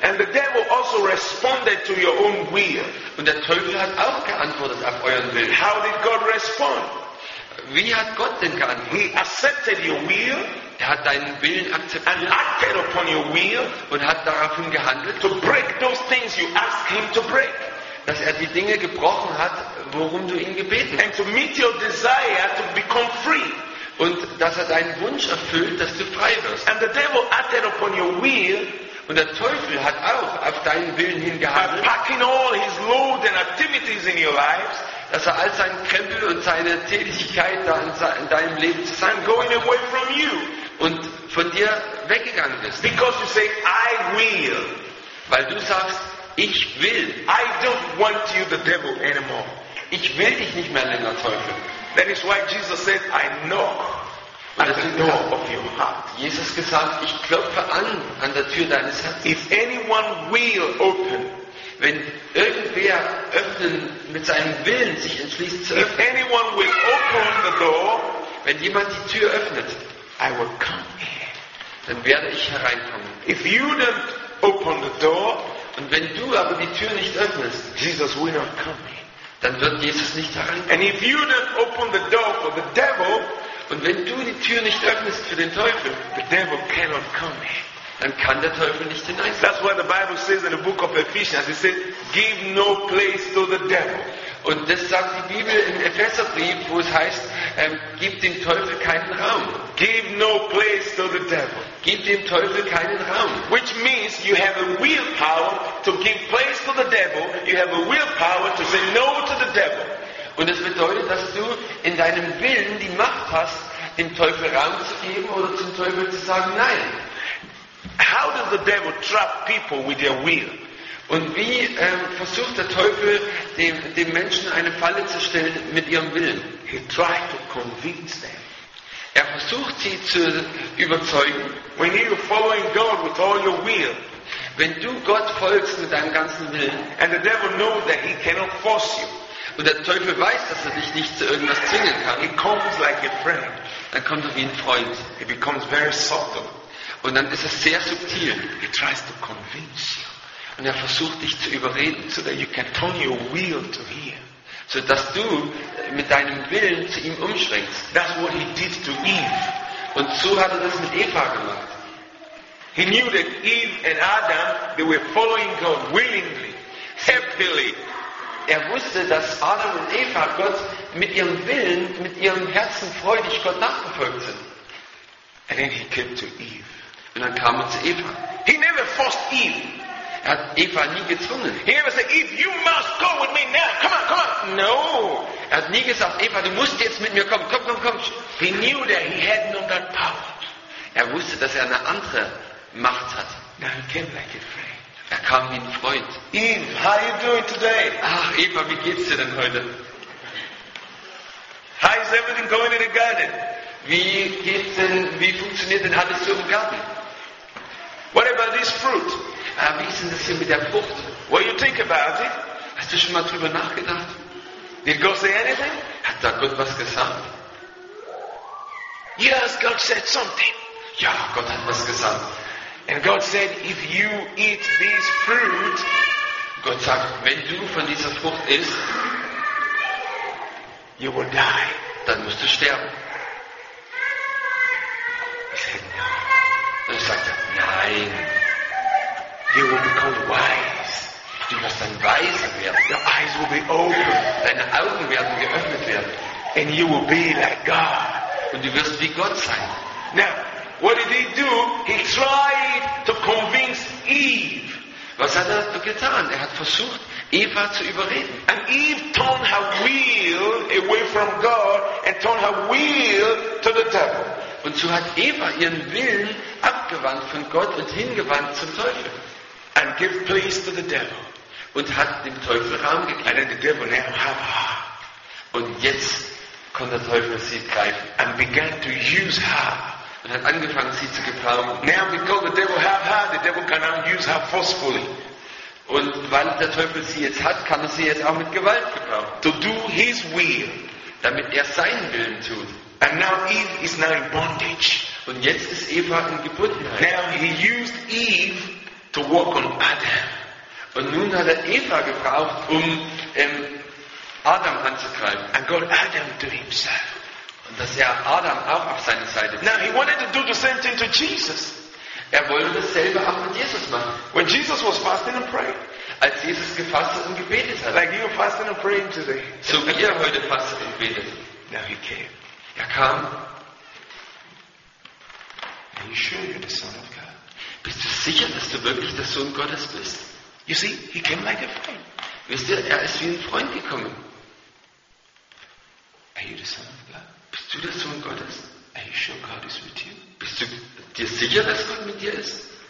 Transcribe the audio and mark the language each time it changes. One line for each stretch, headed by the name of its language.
English: And the devil also responded to your own will.
German: Und der Teufel hat auch geantwortet auf euren Willen.
English: How did God respond?
German: Wie hat Gott denn geantwortet?
English: He accepted your will.
German: Er hat deinen Willen akzeptiert.
English: And acted upon your will.
German: Und hat daraufhin gehandelt.
English: To break those things you asked him to break.
German: Dass er die Dinge gebrochen hat, worum du ihn gebeten hast.
English: And to meet your desire to become free.
German: Und dass er deinen Wunsch erfüllt, dass du frei wirst.
English: And the devil acted upon your will.
German: Und der Teufel hat auch auf deinen Willen hingehandelt.
English: By packing all his load and activities in your lives,
German: dass er all seinen Krempel und seine Tätigkeit da in deinem Leben zusammen
English: going away from you.
German: Und von dir weggegangen ist.
English: Because you say, I will.
German: Weil du sagst, ich will.
English: I don't want you the devil anymore.
German: Ich will dich nicht mehr länger teufeln.
English: That is why Jesus said, I knock at the door of your heart.
German: Jesus gesagt, ich klopfe an der Tür deines Herzens.
English: If anyone will open,
German: wenn irgendwer öffnen mit seinem Willen sich entschließt zu öffnen.
English: If anyone will open the door,
German: wenn jemand die Tür öffnet,
English: I will come in.
German: Dann werde ich hereinkommen.
English: If you don't open the door,
German: und wenn du aber die Tür nicht öffnest,
English: Jesus will not come in.
German: Dann wird Jesus nicht hereinkommen.
English: And if you don't open the door for the devil,
German: und wenn du die Tür nicht öffnest für den Teufel,
English: the devil cannot come in.
German: Dann kann der Teufel nicht hinein.
English: That's why the Bible says in the book of Ephesians, it says, give no place to the devil.
German: Und das sagt die Bibel im Epheserbrief, wo es heißt, gib dem Teufel keinen Raum.
English: Give no place to the devil.
German: Gib dem Teufel keinen Raum.
English: Which means you have a willpower to give place to the devil. You have a willpower to say no to the devil.
German: Und das bedeutet, dass du in deinem Willen die Macht hast, dem Teufel Raum zu geben oder zum Teufel zu sagen nein.
English: How does the devil trap people with their will?
German: Und wie versucht der Teufel dem Menschen eine Falle zu stellen mit ihrem Willen?
English: He tried to convince them.
German: Er versucht sie zu überzeugen.
English: When you're following God with all your will,
German: wenn du Gott folgst mit deinem ganzen Willen,
English: and the devil knows that he cannot force you.
German: Und der Teufel weiß, dass er dich nicht zu irgendwas zwingen kann.
English: He comes like a friend.
German: Dann kommt er wie ein Freund.
English: He becomes very subtle.
German: Und dann ist es sehr subtil.
English: He tries to convince you.
German: Und er versucht dich zu überreden,
English: so that you can turn your will to him.
German: So dass du mit deinem Willen zu ihm umschwenkst.
English: That's what he did to Eve.
German: Und so hat er das mit Eva gemacht.
English: He knew that Eve and Adam, they were following God willingly, happily.
German: Er wusste, dass Adam und Eva Gott mit ihrem Willen, mit ihrem Herzen freudig Gott nachgefolgt sind.
English: And then he came to Eve.
German: Und dann kam er zu Eva.
English: He never forced Eve.
German: Er hat Eva nie gezwungen.
English: He never said, Eve, you must go with me now. Come on, come on. No.
German: Er hat nie gesagt, Eva, du musst jetzt mit mir kommen. Komm, komm, komm.
English: He knew that he had not that power.
German: Er wusste, dass er eine andere Macht hat.
English: Now he came like a friend.
German: Er kam wie ein Freund.
English: Eve, how are you doing today?
German: Ach, Eva, wie geht's dir denn heute?
English: How is everything going in the garden?
German: Wie funktioniert denn alles so im Garten?
English: What about this fruit?
German: Wie ist denn das hier mit der Frucht?
English: What do you think about it?
German: Hast du schon mal drüber nachgedacht?
English: Did God say anything?
German: Hat da Gott was gesagt?
English: Yes, God said something.
German: Ja, Gott hat was gesagt.
English: And God said, if you eat this fruit,
German: Gott sagt, wenn du von dieser Frucht isst,
English: you will die.
German: Dann musst du sterben.
English: He said, no.
German: Dann sagt er, nein.
English: You will become wise.
German: Du wirst dann weiser werden.
English: Your eyes will be open.
German: Deine Augen werden geöffnet werden.
English: And you will be like God.
German: Und du wirst wie Gott sein.
English: Now, what did he do? He tried to convince Eve.
German: Was hat er getan? Er hat versucht, Eva zu überreden.
English: And Eve turned her will away from God and turned her will to the devil.
German: Und so hat Eva ihren Willen abgewandt von Gott und hingewandt zum Teufel.
English: And give place to the devil.
German: Und hat dem Teufel Raum gegeben.
English: And the devil now have her.
German: Und jetzt konnte der Teufel sie greifen.
English: And began to use her.
German: Und hat angefangen, sie zu gebrauchen.
English: Now because the devil have her, the devil can now use her forcefully.
German: Und weil der Teufel sie jetzt hat, kann er sie jetzt auch mit Gewalt gebrauchen.
English: To do his will.
German: Damit er seinen Willen tut.
English: And now Eve is now in bondage.
German: Und jetzt ist Eva in Gebundenheit.
English: Now he used Eve to walk on Adam.
German: Und nun hat er Eva gebraucht, um Adam anzugreifen.
English: And God Adam to himself.
German: Und dass er Adam auch auf seine Seite bringt.
English: Now he wanted to do the same thing to Jesus.
German: Er wollte dasselbe auch mit Jesus machen.
English: When Jesus was fasting and praying.
German: Als Jesus gefastet und gebetet hat.
English: Like you're fasting and praying today.
German: So wie er heute fastet und betet.
English: Now he came.
German: Er kam.
English: Are you sure you're the Son of God?
German: Bist du sicher, dass du wirklich der Sohn Gottes bist?
English: You see, he came like a friend.
German: Wisst ihr, er ist wie ein Freund gekommen.
English: Are you the son of God?
German: Bist du der Sohn Gottes?
English: Are you sure God is with you?
German: Bist du dir sicher, dass Gott mit dir ist?